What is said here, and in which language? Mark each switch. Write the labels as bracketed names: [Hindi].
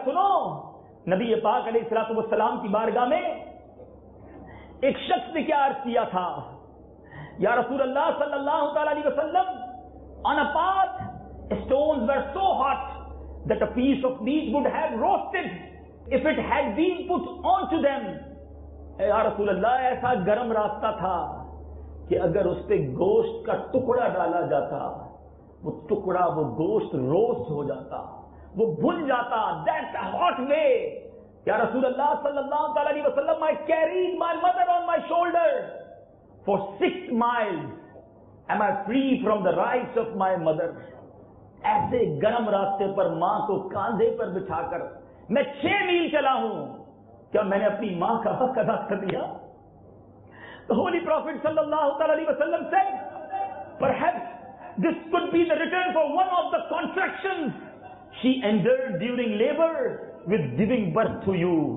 [Urdu] سنو نبی پاک علیہ الصلوۃ والسلام کی بارگاہ میں ایک شخص نے کیا عرض کیا تھا، یا رسول اللہ صلی اللہ تعالی علیہ وسلم [English] on a path stones were so hot that a piece of meat would have roasted if it had been put onto them. [Urdu] اے رسول اللہ ایسا گرم راستہ تھا کہ اگر اس پہ گوشت کا ٹکڑا ڈالا جاتا وہ ٹکڑا، وہ گوشت روسٹ ہو جاتا، وہ بھن جاتا. [English] That's a hot way. [Urdu] یا رسول اللہ صلی اللہ تعالی علیہ وسلم [English] I carried my mother on my shoulder for 6 miles. Am I free from the rights of my mother? [Urdu] ایسے گرم راستے پر ماں کو کاندھے پر بٹھا کر میں 6 میل چلا ہوں، کیا میں نے اپنی ماں کا حق ادا کر دیا؟ [English] The Holy Prophet صلی اللہ علیہ وسلم said, perhaps this could be the return for one of the contractions she endured during labor with giving birth to you.